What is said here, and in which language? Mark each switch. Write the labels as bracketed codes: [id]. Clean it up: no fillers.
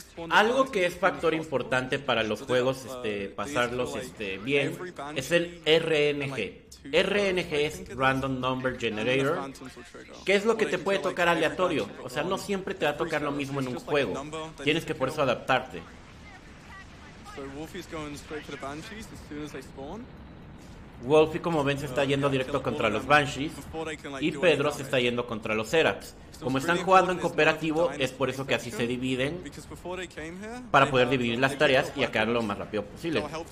[es] Algo que es factor importante para los juegos, pasarlos bien, es el RNG. RNG es Random Number Generator, que es lo que te puede tocar aleatorio. O sea, no siempre te va a tocar lo mismo en un juego. Tienes que por eso adaptarte. [en] So Wolfie's going straight for the Banshees as soon as they spawn. [es] Wolfie, como ven, se está yendo directo contra los Banshees, y Pedro se está yendo contra los Seraphs. Como están jugando en cooperativo, es por eso que así se dividen, para poder dividir las tareas y acabar lo más rápido posible.